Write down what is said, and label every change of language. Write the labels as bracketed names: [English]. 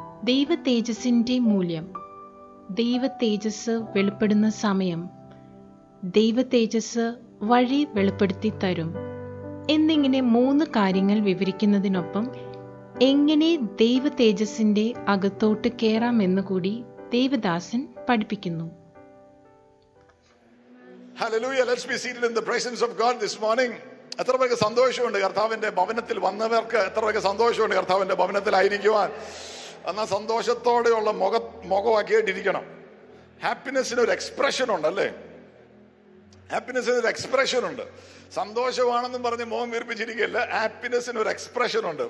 [Malayalam] ദൈവ തേജസ്സിൻ്റെ മൂല്യം. ദൈവ തേജസ് വെളിപ്പെടുന്ന സമയം, ദൈവ തേജസ് വഴി വെളിപ്പെടുത്തി തരും എന്നിങ്ങനെ 3 കാര്യങ്ങൾ വിവരിക്കുന്നതിനൊപ്പം എങ്ങനെ ദൈവ തേജസ്സിൻ്റെ അകത്തോട്ട് കയറാമെന്ന് കൂടി ദേവദാസൻ പഠിപ്പിക്കുന്നു. [English] Hallelujah, let's be seated in the presence of God this morning. [Malayalam] എത്ര പേർക്ക് സന്തോഷമുണ്ട് കർത്താവിന്റെ ഭവനത്തിൽ വന്നവർക്ക്? എത്ര പേർക്ക് സന്തോഷമുണ്ട് കർത്താവിന്റെ ഭവനത്തിൽ ആയിരിക്കുവാൻ? എന്നാ സന്തോഷത്തോടെയുള്ള മുഖമാക്കിയിട്ടിരിക്കണം. ഹാപ്പിനെസ്സിന് ഒരു എക്സ്പ്രഷൻ ഉണ്ട് അല്ലേ? ഹാപ്പിനെസ്സിന് ഒരു എക്സ്പ്രഷൻ ഉണ്ട്. സന്തോഷമാണെന്നും പറഞ്ഞ് മുഖം വീർപ്പിച്ചിരിക്കല്ല, ഹാപ്പിനെസ്സിന് ഒരു എക്സ്പ്രഷൻ ഉണ്ട്.